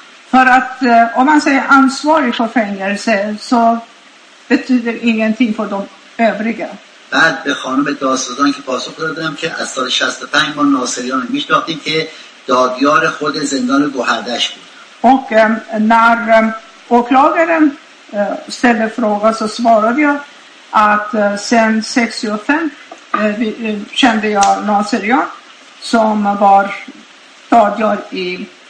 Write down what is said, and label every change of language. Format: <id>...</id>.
<sv>För att om man säger ansvarig för fängelse så betyder ingenting för de övriga.</sv> <fa>بعد به خانم داستان که پاسخ دادم که از سال 65 با ناصریان میشناختیم که دادیار خود زندان گوهردشت بود.</fa> <sv>Och när åklagaren ställde frågan så svarade jag att sen 65 kände jag Naserian som var dadjar i</sv>